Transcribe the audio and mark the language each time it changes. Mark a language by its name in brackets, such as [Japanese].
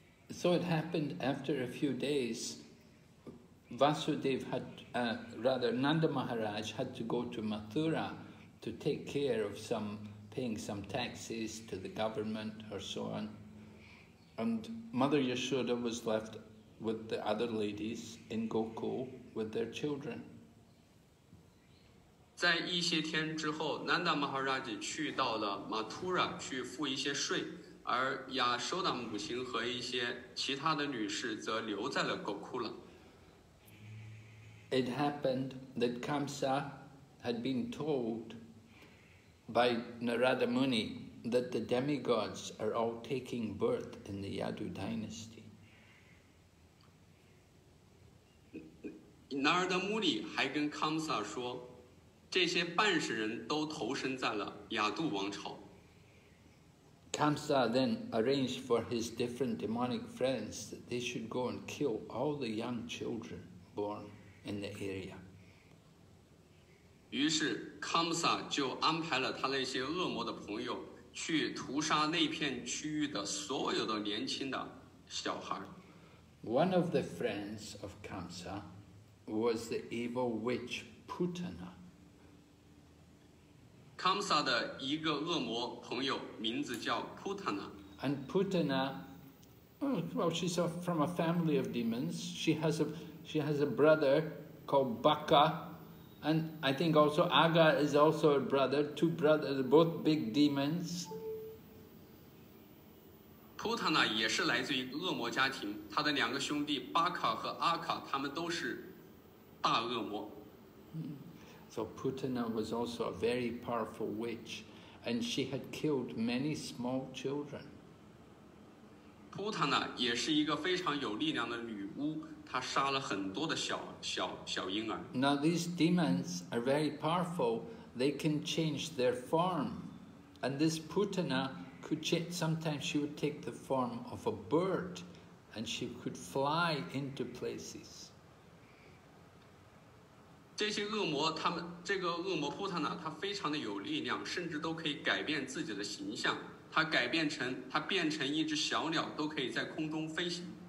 [English] So it happened after a few days, Vasudev had, rather Nanda Maharaj had to go to Mathura to take care of some, paying some taxes to the government or so on. And Mother Yashoda was left with the other ladies in Gokul with their children. [Chinese] 在一些天之后 ,Nanda Maharaj 去到了 Mathura 去付一些税，而亚修达母亲和一些其他的女士则留在了狗窟了。 [English] It happened that Kamsa had been told by Narada Muni that the demigods are all taking birth in the Yadu dynasty. [Chinese] Narada Muni 还跟 Kamsa 说，这些半世人都投身在了亚杜王朝。 [English] Kamsa then arranged for his different demonic friends that they should go and kill all the young children born in the area. [Chinese] 于是 Kamsa 就安排了他那些恶魔的朋友去屠杀那片区域的所有的年轻的小孩。 [English] One of the friends of Kamsa was the evil witch Putana. [Chinese] Kamsa 的一个恶魔朋友名字叫 Putana. [English] And Putana, well, she's from a family of demons. She has a brother called Baka, and I think also Aga is also a brother. Two brothers, both big demons. [Chinese] Putana 也是来自于恶魔家庭，他的两个兄弟 Baka 和 Aga， 他们都是大恶魔。 [English] So Putana was also a very powerful witch, and she had killed many small children. [Chinese] Putana 也是一个非常有力量的女巫，她杀了很多的小婴儿。 [English] Now these demons are very powerful; they can change their form, and this Putana could change. Sometimes she would take the form of a bird, and she could fly into places. [Chinese] 这些恶魔他们这个恶魔普塔纳他非常的有力量，甚至都可以改变自己的形象，他变成一只小鸟都可以在空中飞行。